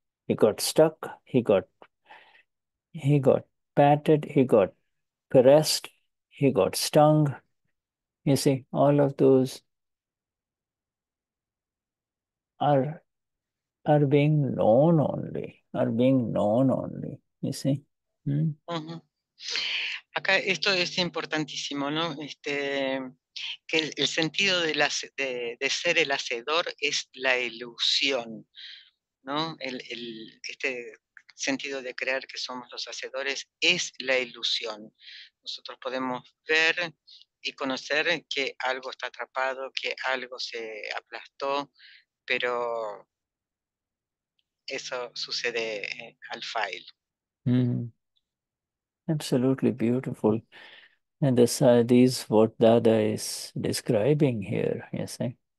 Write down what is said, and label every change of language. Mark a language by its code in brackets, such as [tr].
[en] He got stuck, he got patted, he got caressed, he got stung. You see, all of those are being known only, you see. [es] Mm-hmm. Acá esto es importantísimo, ¿no? Que el sentido de ser el hacedor es la ilusión, ¿no? Este sentido de creer que somos los hacedores es la ilusión. Nosotros podemos ver y conocer que algo está atrapado, que algo se aplastó, pero eso sucede al file. [en] Mm. Absolutely beautiful. And this is what Dada is describing here, you see.